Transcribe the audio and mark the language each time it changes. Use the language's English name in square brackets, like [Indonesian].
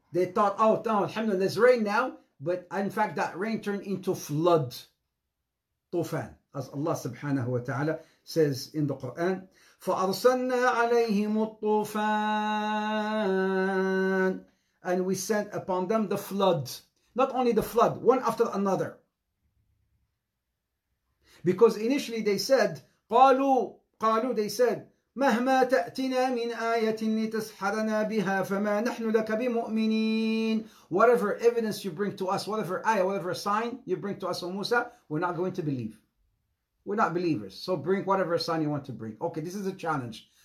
[English] They thought, oh, alhamdulillah, there's rain now. But in fact, that rain turned into flood, tufan, as Allah subhanahu wa ta'ala says in the Quran. [Arabic] فَأَرْسَلْنَا عَلَيْهِمُ الطُّوفَانِ. [English] And we sent upon them the flood. Not only the flood, one after another. Because initially they said, [Arabic] قَالُوا, [English] they said, [Arabic] مَهْمَا تَأْتِنَا مِنْ آيَةٍ لِتَسْحَرَنَا بِهَا فَمَا نَحْنُ لَكَ بِمُؤْمِنِينَ. [English] Whatever evidence you bring to us, whatever ayah, whatever sign you bring to us, O Musa, we're not going to believe. We're not believers. So bring whatever sign you want to bring. Okay, this is a challenge.